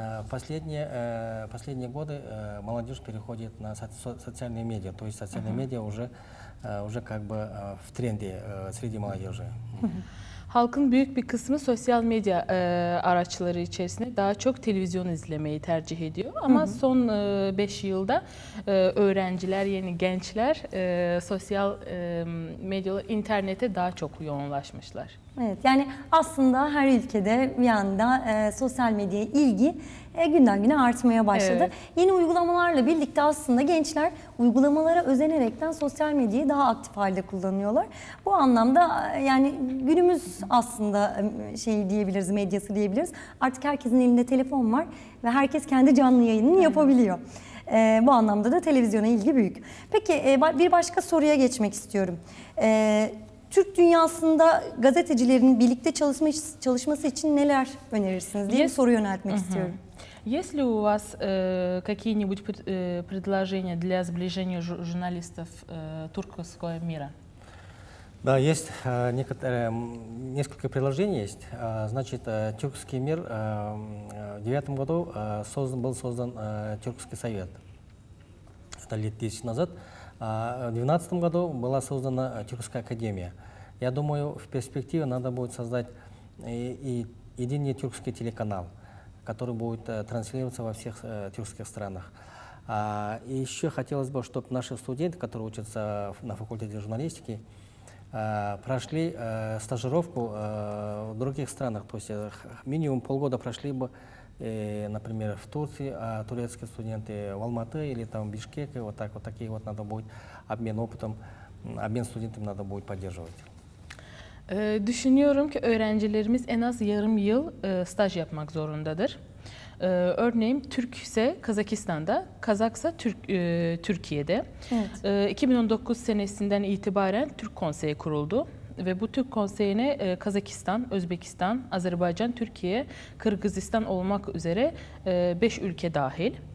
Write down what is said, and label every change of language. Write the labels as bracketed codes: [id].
[ru] Последние годы молодежь переходит на социальные медиа, то есть социальные медиа уже как бы в тренде среди молодежи. [tr] Halkın büyük bir kısmı sosyal medya araçları içerisinde daha çok televizyon izlemeyi tercih ediyor. Ama son 5 yılda öğrenciler, yeni gençler sosyal medyada internete daha çok yoğunlaşmışlar. Evet, yani aslında her ülkede bir anda sosyal medyaya ilgi günden güne artmaya başladı. Evet. Yeni uygulamalarla birlikte aslında gençler uygulamalara özenerekten sosyal medyayı daha aktif halde kullanıyorlar. Bu anlamda yani günümüz aslında şey diyebiliriz, medyası diyebiliriz. Artık herkesin elinde telefon var ve herkes kendi canlı yayınını yapabiliyor. Bu anlamda da televizyona ilgi büyük. Peki bir başka soruya geçmek istiyorum. Türk dünyasında gazetecilerin birlikte çalışması için neler önerirsiniz diye soru yöneltmek istiyorum. [ru] Есть ли у вас какие-нибудь предложения для сближения журналистов туркского мира? Да, есть несколько предложений есть. Значит, Тюркский мир в 2009 году был создан Тюркский совет. Это лет 10 назад. В 2012 году была создана Тюркская академия. Я думаю, в перспективе надо будет создать и единый тюркский телеканал, который будет транслироваться во всех тюркских странах. И еще хотелось бы, чтобы наши студенты, которые учатся на факультете журналистики, прошли стажировку в других странах. То есть минимум полгода прошли бы, например, в Турции, а турецкие студенты в Алматы или там в Бишкеке. Вот так вот такие вот надо будет обмен опытом, обмен студентами надо будет поддерживать. [tr] Düşünüyorum ki öğrencilerimiz en az yarım yıl staj yapmak zorundadır. Örneğin Türk ise Kazakistan'da, Kazak ise Türkiye'de. Evet. 2019 senesinden itibaren Türk Konseyi kuruldu. Ve bu Türk Konseyi'ne Kazakistan, Özbekistan, Azerbaycan, Türkiye, Kırgızistan olmak üzere 5 ülke dahil.